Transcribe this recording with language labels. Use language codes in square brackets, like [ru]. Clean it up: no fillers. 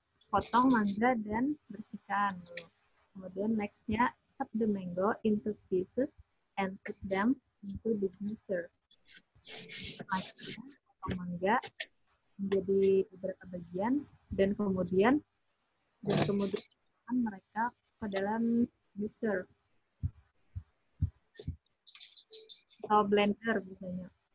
[id] Potong mangga dan bersihkan. Kemudian next-nya, [en] cut the mango into pieces and put them into the juicer. [id] Potong mangga menjadi beberapa bagian dan kemudian mereka ke dalam juicer atau blender biasanya.